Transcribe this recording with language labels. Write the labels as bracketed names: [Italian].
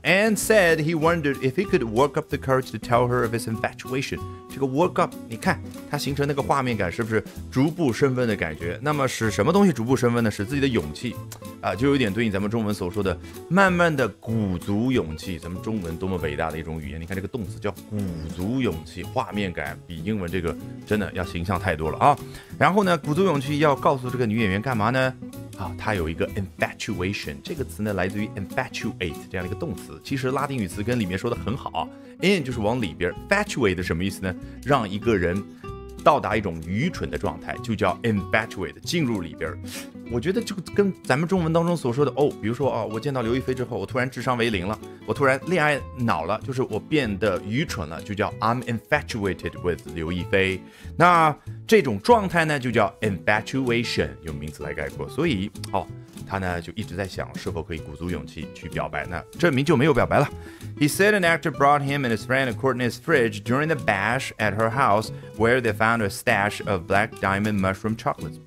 [English] And said he wondered if he could work up the courage to tell her of his infatuation。 [Chinese] 这个 work up， 你看它形成那个画面感，是不是逐步升温的感觉？那么使什么东西逐步升温呢？使自己的勇气，啊，就有点对应咱们中文所说的慢慢的鼓足勇气。咱们中文多么伟大的一种语言，你看这个动词叫鼓足勇气，画面感比英文这个真的要形象太多了啊。然后呢，鼓足勇气要告诉这个女演员干嘛呢？啊，她有一个 infatuation， 这个词呢来自于 infatuate 这样的一个动词，其实拉丁语词根里面说的很好， in 就是往里边， fatuate 什么意思呢？让一个人到达一种愚蠢的状态，就叫 infatuate， 进入里边。我觉得就跟咱们中文当中所说的哦，比如说啊，我见到刘亦菲之后，我突然智商为零了，我突然恋爱脑了，就是我变得愚蠢了，就叫 [English] I'm infatuated with [Chinese] 刘亦菲。那这种状态呢，就叫 infatuation， 用名词来概括。所以哦，他呢就一直在想是否可以鼓足勇气去表白，那证明就没有表白了。 [English] He said an actor brought him and his friend Courtney's fridge during the bash at her house where they found a stash of black diamond mushroom chocolates.